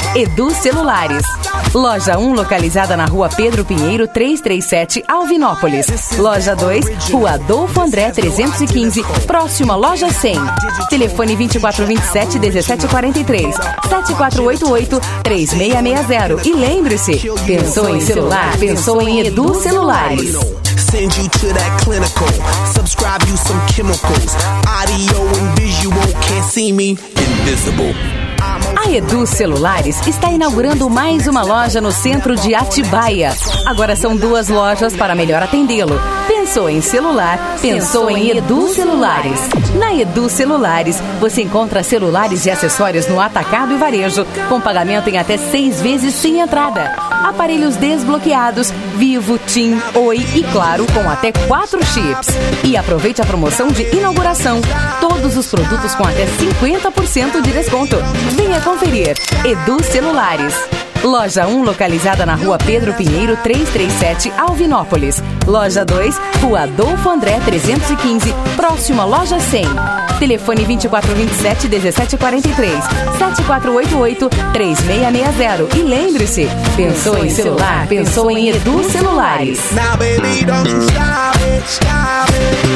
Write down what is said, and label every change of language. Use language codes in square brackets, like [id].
[pt] Edu Celulares. Loja 1, localizada na rua Pedro Pinheiro, 337, Alvinópolis. Loja 2, rua Adolfo André, 315, próximo à loja 100. Telefone 2427-1743. 7488-3660. E lembre-se, pensou em celular? Pensou em Edu Celulares. [en] Send you to that clinical, subscribe you some chemicals, audio and visual, can't see me, invisible. [pt] A Edu Celulares está inaugurando mais uma loja no centro de Atibaia. Agora são duas lojas para melhor atendê-lo. Pensou em celular? Pensou em Edu Celulares. Na Edu Celulares, você encontra celulares e acessórios no atacado e varejo, com pagamento em até 6 vezes sem entrada. Aparelhos desbloqueados, Vivo, Tim, Oi e Claro, com até 4 chips. E aproveite a promoção de inauguração. Todos os produtos com até 50% de desconto. Venha conferir. Edu Celulares. Loja 1, localizada na rua Pedro Pinheiro, 337, Alvinópolis. Loja 2, rua Adolfo André, 315, próximo à loja 100. Telefone 2427-1743, 7488-3660. E lembre-se, pensou em celular? Pensou em Edu Celulares. [en] Now, baby, don't stop it, stop it.